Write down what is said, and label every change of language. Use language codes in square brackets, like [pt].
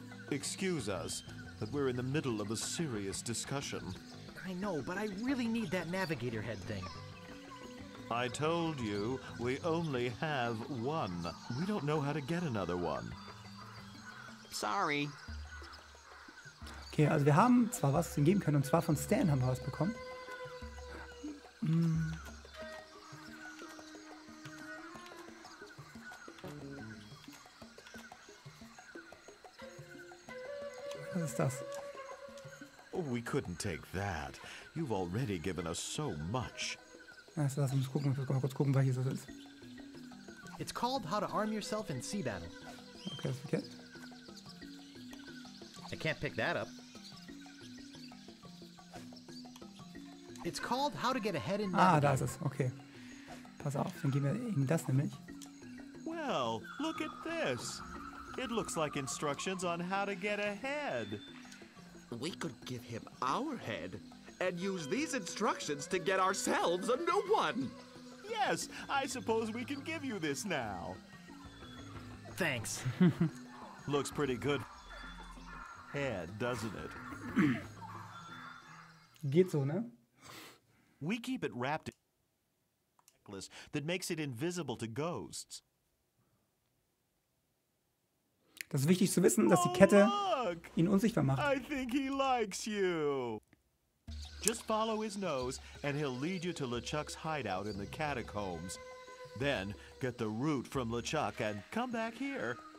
[en] Excuse us, but we're in the middle of a serious discussion. I know, but I really need that navigator head thing. I told you, we only have one. We don't know how to get another one. Sorry. [de] Okay, also wir haben zwar was ihm geben können, und zwar von Stan haben wir was bekommen. Was ist das? [en] Oh, we couldn't take that. You've already given us so much. [de] Also, lass uns gucken, mal kurz gucken, was hier so ist. [en] It's called How to Arm Yourself in Sea Battle. [de] Okay, das geht. [en] I can't pick that up. It's called How to Get Ahead in Navigating. [de] Ah, da ist es. Okay. Pass auf, dann geben wir ihm das nämlich. [en] Well, look at this. It looks like instructions on how to get ahead. We could give him our head and use these instructions to get ourselves a new one. Yes, I suppose we can give you this now. Thanks. Looks pretty good. Head, doesn't it? [de] Geht so, ne? [en] We keep it wrapped in a necklace that makes it invisible to ghosts. [de] Das ist wichtig zu wissen, dass die Kette ihn unsichtbar macht. [en] I think he likes you. Just follow his nose and he'll lead you to LeChuck's hideout in the catacombs. Then get the root from LeChuck and come back here.